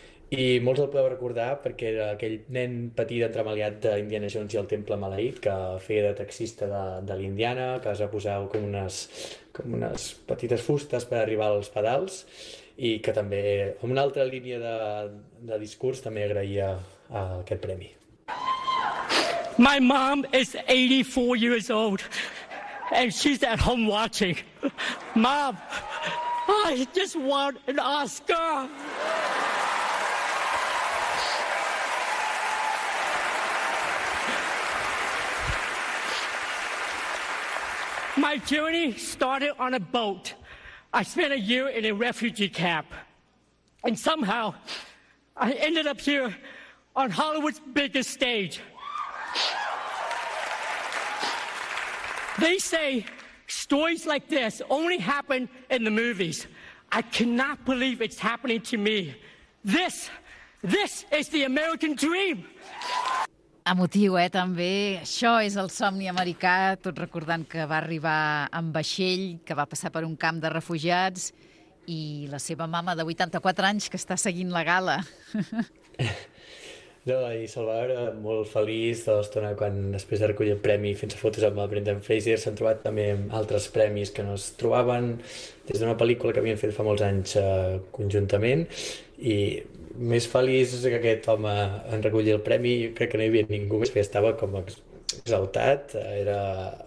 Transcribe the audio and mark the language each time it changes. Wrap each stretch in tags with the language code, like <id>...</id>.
<ca>I molts el podeu recordar perquè era aquell nen petit entremaliat d'Indiana Jones i el Temple Maleït que feia de taxista de l'Indiana, que es va posar com unes petites fustes per arribar als pedals i que també, amb una altra línia de discurs, també agraïa aquest premi.</ca> <en>My mom is 84 years old and she's at home watching. Mom, I just want an Oscar. My journey started on a boat. I spent a year in a refugee camp. And somehow, I ended up here on Hollywood's biggest stage. They say stories like this only happen in the movies. I cannot believe it's happening to me. This is the American dream.</en> <ca>Emotiu, també. Això és el somni americà, tot recordant que va arribar amb vaixell, que va passar per un camp de refugiats i la seva mama de 84 anys que està seguint la gala. No, i Salvador, molt feliç de l'estona quan després de recollir el premi fent fotos amb el Brendan Fraser s'han trobat també altres premis que no es trobaven des d'una pel·lícula que havien fet fa molts anys conjuntament i més feliç que aquest home en recollir el premi, jo crec que no hi havia ningú més, estava com exaltat, era...</ca>